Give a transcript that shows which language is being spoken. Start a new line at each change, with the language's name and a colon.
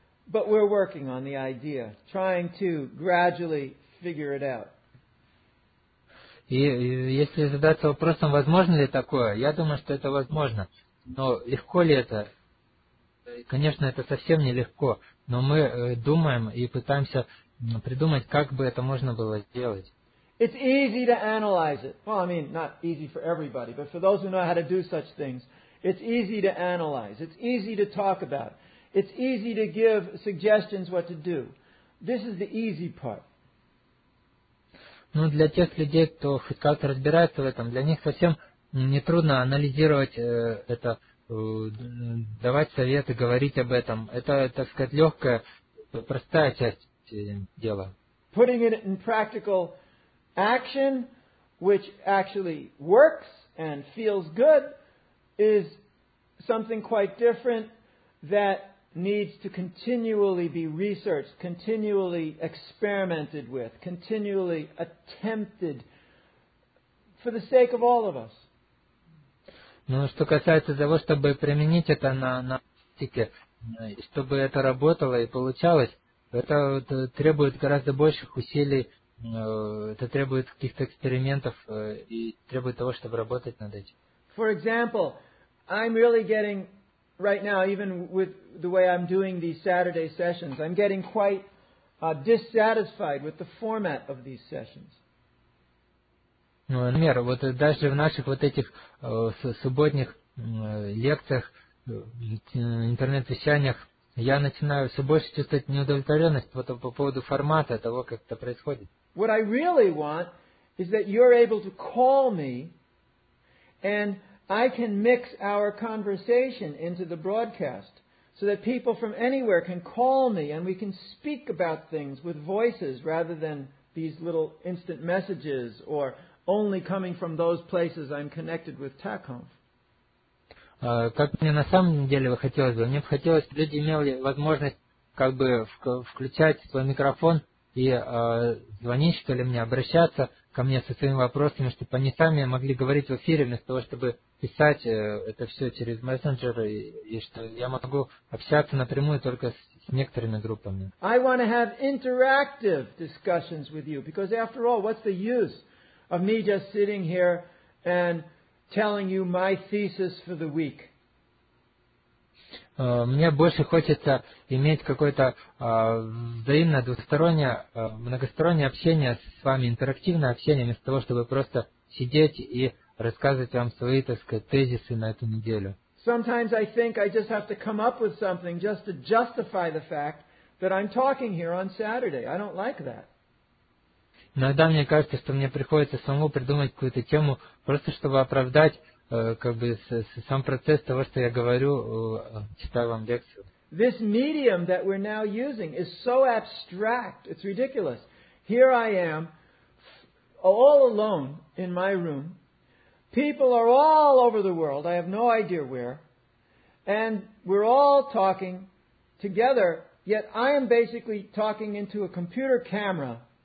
English: But we're working on the idea, trying to gradually figure it out.
Russian: И если задаться вопросом, возможно ли такое, я думаю, что это возможно. Но легко ли это? Конечно, это совсем не легко, но мы думаем и пытаемся придумать, как бы это можно было сделать.
English: It's easy to analyze it. Well, I mean, not easy for everybody, but for those who know how to do such things, it's easy to analyze. It's easy to talk about. It's easy to give suggestions what to do. This is the easy part.
Russian: Ну, для тех людей, кто хоть как-то разбирается в этом, для них совсем нетрудно анализировать это, давать советы, говорить об этом. Это, так сказать, легкая, простая часть дела.
English: Putting it in practical action, which actually works and feels good, is something quite different that needs to continually be researched, continually experimented with, continually attempted for the sake of all of us.
Russian: Ну, что касается того, чтобы применить это на практике, чтобы это работало и получалось, это требует гораздо больших усилий, это требует каких-то экспериментов и требует того, чтобы работать над этим.
English: For example, I'm really getting right now, even with the way I'm doing these Saturday sessions, I'm getting quite dissatisfied with the format of these sessions.
Russian: Ну, например, вот даже в наших вот этих субботних лекциях, интернет-вещаниях, я начинаю все больше чувствовать неудовлетворенность вот по поводу формата того, как это происходит.
English: What I really want is that you're able to call me and I can mix our conversation into the broadcast so that people from anywhere can call me and we can speak about things with voices rather than these little instant messages or only coming from those places I'm connected with TACOMF.
Russian: Как мне на самом деле бы хотелось бы, мне бы хотелось, чтобы люди имели возможность как бы включать свой микрофон и звонить, что ли, мне, обращаться ко мне со своими вопросами, чтобы они сами могли говорить в эфире, вместо того, чтобы писать это все через мессенджеры, и что я могу общаться напрямую только с некоторыми группами.
English: I want to have interactive discussions with you, because after all, what's the use of me just sitting here and telling you my thesis for the week?
Russian: Мне больше хочется иметь какое-то взаимное, двустороннее, многостороннее общение с вами, интерактивное общение, вместо того, чтобы просто сидеть и рассказывать вам свои, так сказать, тезисы на эту неделю.
English: Sometimes I think I just have to come up with something just to justify the fact that I'm talking here on Saturday. I don't like that.
Russian: Иногда мне кажется, что мне приходится самому придумать какую-то тему, просто чтобы оправдать как бы сам процесс того, что я говорю, читаю вам лекцию.
English: This medium that we're now using is so abstract, it's ridiculous. Here I am, all alone in my room. People are all over the world, I have no idea where. And we're all talking together, yet I am basically talking into a computer camera.